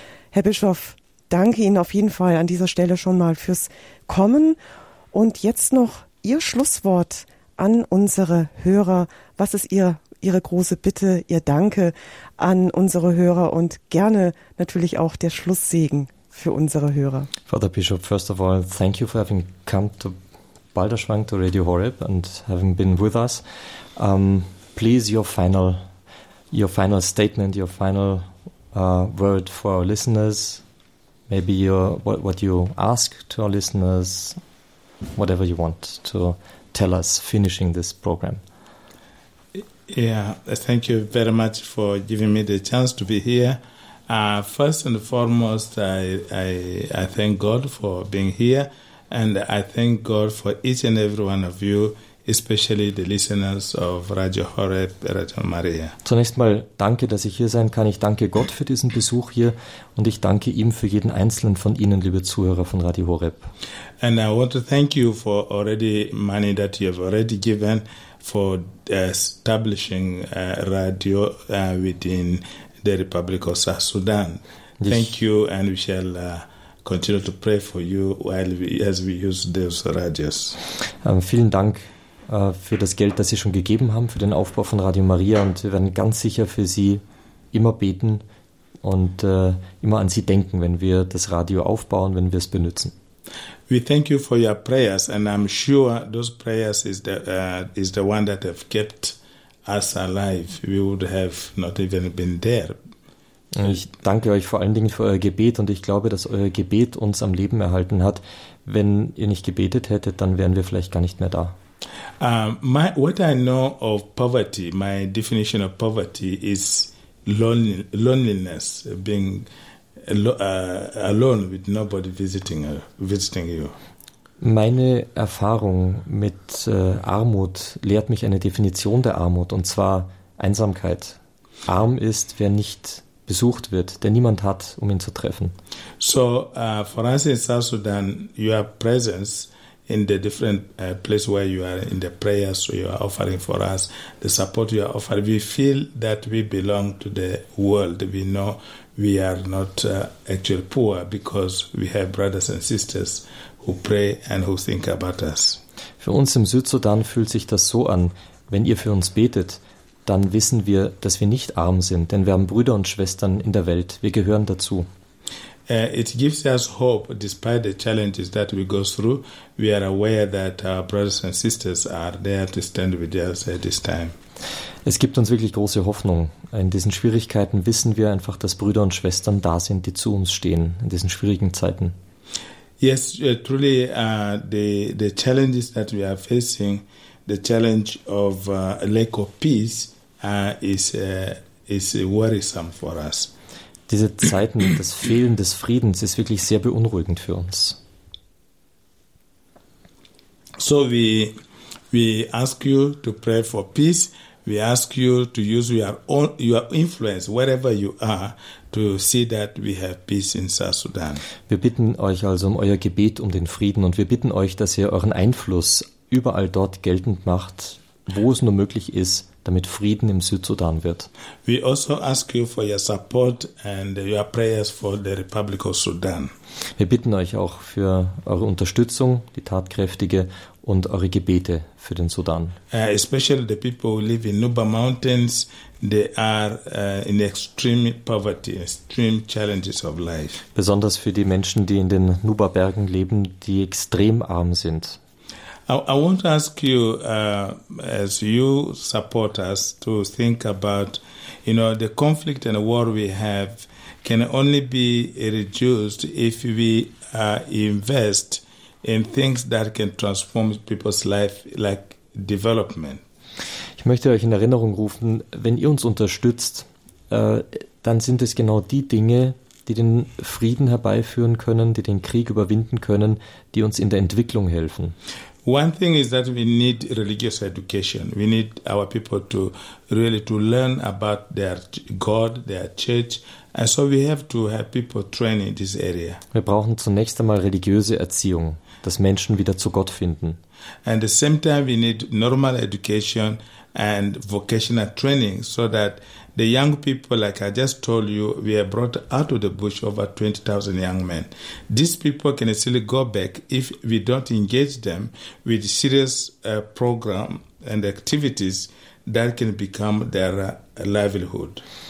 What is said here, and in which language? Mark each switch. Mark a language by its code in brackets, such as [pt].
[de] Herr Bischof, danke Ihnen auf jeden Fall an dieser Stelle schon mal fürs Kommen. Und jetzt noch Ihr Schlusswort an unsere Hörer. Was ist Ihre große Bitte, Ihr Danke an unsere Hörer und gerne natürlich auch der Schlusssegen für unsere Hörer? [en] Father Bishop, first of all, thank you for having come to Balderschwang, to Radio Horeb, and having been with us. Please, your final statement, your final word for our listeners, maybe what you ask to our listeners, whatever you want to tell us finishing this program. Yeah, thank you very much for giving me the chance to be here. First and foremost, I thank God for being here, and I thank God for each and every one of you, especially the listeners of Radio Horeb, Radio Maria. [de] Zunächst mal danke, dass ich hier sein kann. Ich danke Gott für diesen Besuch hier und ich danke ihm für jeden einzelnen von Ihnen, liebe Zuhörer von Radio Horeb. [en] And I want to thank you for already money that you have already given for establishing Radio within the Republic of South Sudan. Thank you, and we shall continue to pray for you as we use those radios. [de] Vielen Dank für das Geld, das Sie schon gegeben haben für den Aufbau von Radio Maria, und wir werden ganz sicher für Sie immer beten und immer an Sie denken, wenn wir das Radio aufbauen, wenn wir es benutzen. [en] We thank you for your prayers, and I'm sure those prayers is the one that have kept us alive. We would have not even been there. [de] Ich danke euch vor allen Dingen für euer Gebet, und ich glaube, dass euer Gebet uns am Leben erhalten hat. Wenn ihr nicht gebetet hättet, dann wären wir vielleicht gar nicht mehr da. [en] What I know of poverty, my definition of poverty is loneliness, being alone with nobody visiting you. [de] Meine Erfahrung mit Armut lehrt mich eine Definition der Armut, und zwar Einsamkeit. Arm ist, wer nicht besucht wird, der niemand hat, um ihn zu treffen. [en] So, for us in South Sudan, your presence in the different place where you are in the prayers you are offering for us, the support you are offering, we feel that we belong to the world. We know we are not actually poor, because we have brothers and sisters who pray and who think about us. [de] Für uns im Südsudan fühlt sich das so an: wenn ihr für uns betet, dann wissen wir, dass wir nicht arm sind, denn wir haben Brüder und Schwestern in der Welt. Wir gehören dazu. [en] It gives us hope despite the challenges that we go through. We are aware that our brothers and sisters are there to stand with us at this time. [de] Es gibt uns wirklich große Hoffnung. In diesen Schwierigkeiten wissen wir einfach, dass Brüder und Schwestern da sind, die zu uns stehen in diesen schwierigen Zeiten. [en] Yes, truly, the challenges that we are facing, the challenge of lack of peace, is worrisome for us. [de] Diese Zeiten, das Fehlen des Friedens, ist wirklich sehr beunruhigend für uns. [en] So we ask you to pray for peace. We ask you to use your influence wherever you are to see that we have peace in South Sudan. [de] Wir bitten euch also um euer Gebet um den Frieden und wir bitten euch, dass ihr euren Einfluss überall dort geltend macht, wo es nur möglich ist, damit Frieden im Südsudan wird. [en] We also ask you for your support and your prayers for the Republic of Sudan. [de] Wir bitten euch auch für eure Unterstützung, die tatkräftige und eure Gebete für den Sudan. [en] Especially the people who live in Nuba Mountains, they are in extreme poverty, extreme challenges of life. [de] Besonders für die Menschen, die in den Nuba Bergen leben, die extrem arm sind. [en] I want to ask you, as you support us, to think about, you know, the conflict and the war we have can only be reduced if we invest in things that can transform people's life, like development. [de] Ich möchte euch in Erinnerung rufen, wenn ihr uns unterstützt, dann sind es genau die Dinge, die den Frieden herbeiführen können, die den Krieg überwinden können, die uns in der Entwicklung helfen. [en] One thing is that we need religious education. We need our people to really to learn about their God, their church. And so we have to have people trained in this area. [de] Wir brauchen zunächst einmal religiöse Erziehung, dass Menschen wieder zu Gott finden. [en] And at the same time we need normal education and vocational training so that the young people, like I just told you, we have brought out of the bush over 20,000 young men. These people can easily go back if we don't engage them with serious program and activities that can become their livelihood.